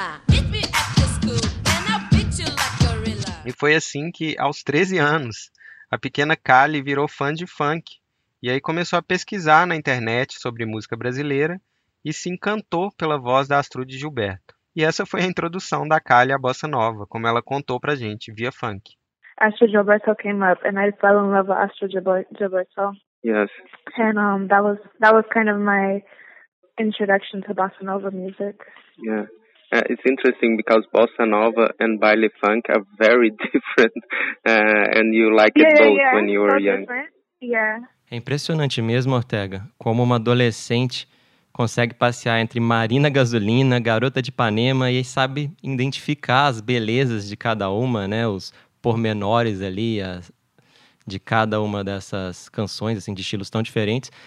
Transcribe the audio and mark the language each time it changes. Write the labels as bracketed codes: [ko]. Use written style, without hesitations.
[en] Meet me at the school and I'll beat you like gorilla. [pt] E foi assim que, aos 13 anos, a pequena Kali virou fã de funk. E aí começou a pesquisar na internet sobre música brasileira e se encantou pela voz da Astrud Gilberto. E essa foi a introdução da Kali à bossa nova, como ela contou pra gente, via funk. [en] Astrud Gilberto came up, and I fell in love with Astrud Gilberto. Yes. And that was kind of my introduction to bossa nova music. Yeah. It's interesting because bossa nova and baile funk are very different, and you like it both when you were so young. Yeah. [pt] É impressionante mesmo, Ortega, como uma adolescente consegue passear entre Marina Gasolina, Garota de Ipanema e sabe identificar as belezas de cada uma, né? Os pormenores ali de cada uma dessas canções, assim, de estilos tão diferentes.